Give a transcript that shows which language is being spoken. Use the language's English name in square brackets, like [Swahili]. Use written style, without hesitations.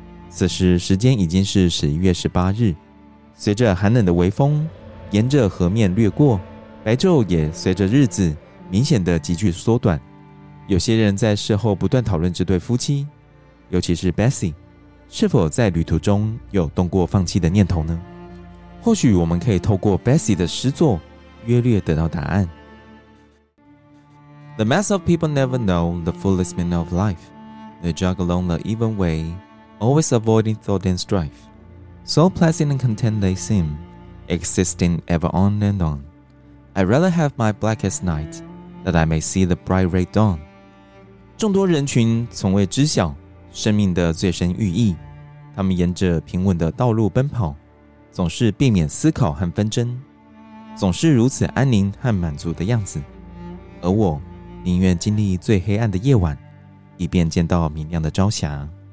[Chinese] 此时时间已经是11月18日，随着寒冷的微风沿着河面掠过，白昼也随着日子明显的急剧缩短。有些人在事后不断讨论这对夫妻，尤其是 Bessie 是否在旅途中有动过放弃的念头呢？或许我们可以透过 Bessie 的诗作约略得到答案。 [English] The mass of people never know the fullest meaning of life. They jog along the even way, always avoiding thought and strife. So pleasant and content they seem, existing ever on and on. I'd rather have my blackest night, that I may see the bright red dawn. [Chinese] 众多人群从未知晓生命的最深寓意，他们沿着平稳的道路奔跑，总是避免思考和纷争，总是如此安宁和满足的样子，而我宁愿经历最黑暗的夜晚，以便见到明亮的朝霞。